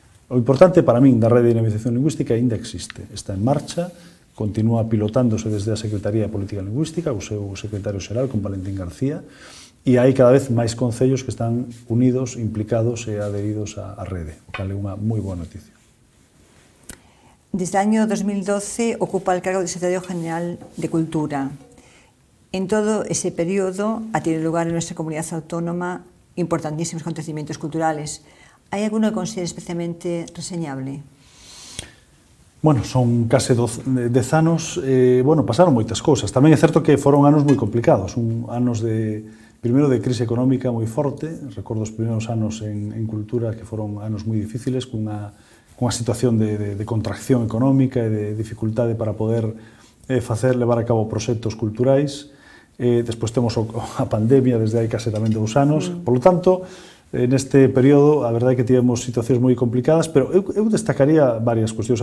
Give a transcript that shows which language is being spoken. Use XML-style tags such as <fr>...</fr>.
<gl>O importante para min da Rede de Dinamización Lingüística ainda existe, está en marcha, continúa pilotándose desde a Secretaría de Política Lingüística, o seu secretario xeral, con Valentín García, e hai cada vez máis concellos que están unidos, implicados e adheridos á rede, o cal é unha moi boa noticia.</gl> <es>Desde el año 2012 ocupa el cargo de Secretario General de Cultura. En todo ese periodo ha tenido lugar en nuestra comunidad autónoma importantísimos acontecimientos culturales. ¿Hay alguno que considere especialmente reseñable?</es> <gl>Bueno,</gl> <es>son casi 10 años.</es> <gl>Bueno, pasaron moitas cosas.</gl> <es>También es cierto que fueron años muy complicados. Años de, primero, de crisis económica muy fuerte. Recuerdo los primeros años en cultura que fueron años muy difíciles, con</es> <gl>unha situación de contracción económica e de dificultade para poder facer, levar a cabo proxectos culturais. Despois temos a pandemia desde hai case tamén 2 anos.</gl> <es>Por lo tanto,</es> <gl>neste período, a verdade é que tivemos situacións moi complicadas, pero eu destacaría varias cuestións.</gl>